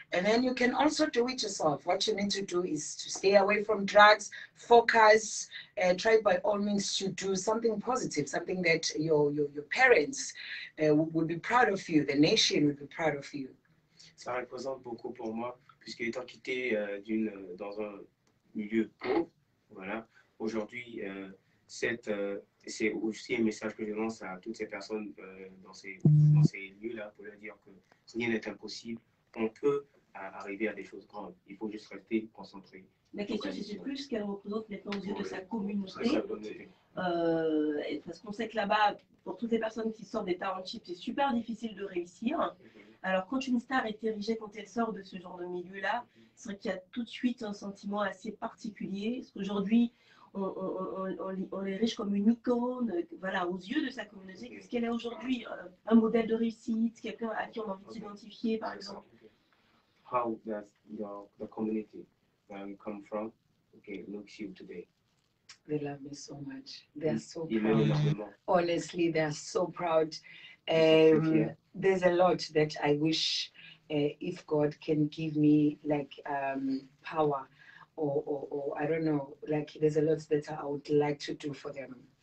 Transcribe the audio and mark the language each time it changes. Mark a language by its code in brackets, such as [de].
[en] And then you can also do it yourself. What you need to do is to stay away from drugs, focus, and try by all means to do something positive, something that your parents would be proud of you, the nation would be proud of you. [fr] Ça représente beaucoup pour moi, puisque étant quitté dans un milieu pauvre, voilà, aujourd'hui, c'est aussi un message que je lance à toutes ces personnes dans ces lieux-là, pour leur dire que rien n'est impossible, on peut arriver à des choses grandes, il faut juste rester concentré. La question, c'est plus qu'elle représente maintenant aux yeux de sa communauté, parce qu'on sait que là-bas, pour toutes les personnes qui sortent des townships, c'est super difficile de réussir. Alors, quand une star est érigée, quand elle sort de ce genre de milieu-là, c'est vrai qu'il y a tout de suite un sentiment assez particulier. Parce qu'aujourd'hui, on l'érige comme une icône, voilà, aux yeux de sa communauté. Est-ce qu'elle est aujourd'hui un modèle de réussite, quelqu'un à qui on a envie d'identifier, par exemple? [en] How does the community where you come from, okay, looks you today? They love me so much. They are so proud. Honestly, they are so proud. There's a lot that I wish, if God can give me like power, or I don't know, like there's a lot that I would like to do for them.